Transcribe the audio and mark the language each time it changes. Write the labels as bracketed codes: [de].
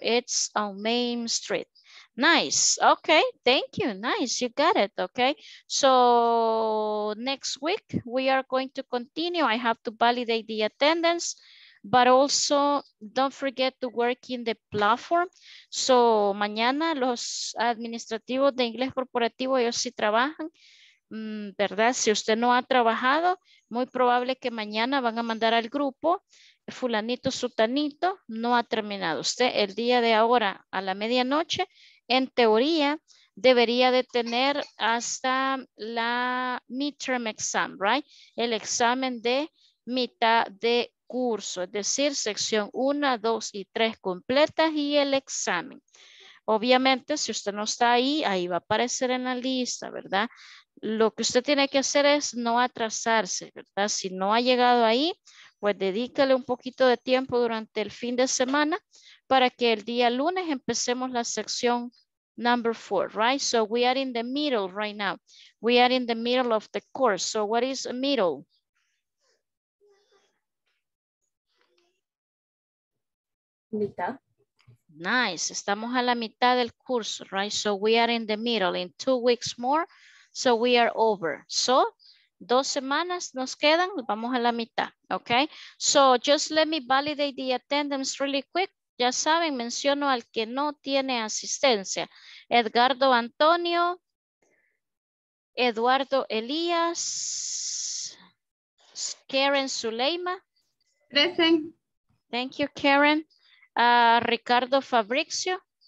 [en] It's on Main Street. Nice. Okay. Thank you. Nice. You got it. Okay. So next week, we are going to continue. I have to validate the attendance, but also don't forget to work in the platform. [es] So mañana, los administrativos de Inglés Corporativo, ellos sí trabajan. ¿Verdad? Si usted no ha trabajado, muy probable que mañana van a mandar al grupo, fulanito, sutanito, no ha terminado. Usted el día de ahora a la medianoche, en teoría, debería de tener hasta la midterm exam, right? El examen de mitad de curso, es decir, sección 1, 2 y 3 completas y el examen. Obviamente, si usted no está ahí, ahí va a aparecer en la lista, ¿verdad? Lo que usted tiene que hacer es no atrasarse, ¿verdad? Si no ha llegado ahí, pues dedícale un poquito de tiempo durante el fin de semana para que el día lunes empecemos la sección number four, right? [en] So we are in the middle right now. We are in the middle of the course. So what is middle? [es] Mitad. [en] Nice. [es] Estamos a la mitad del curso, [en] right? So we are in the middle. In 2 weeks more, so we are over. So [es] Dos semanas nos quedan, vamos a la mitad, ok? [en] So just let me validate the attendance really quick. [es] Ya saben, menciono al que no tiene asistencia. Edgardo Antonio, Eduardo Elías, Karen Zuleima. [en] Present. Thank you, Karen. Ricardo Fabrizio.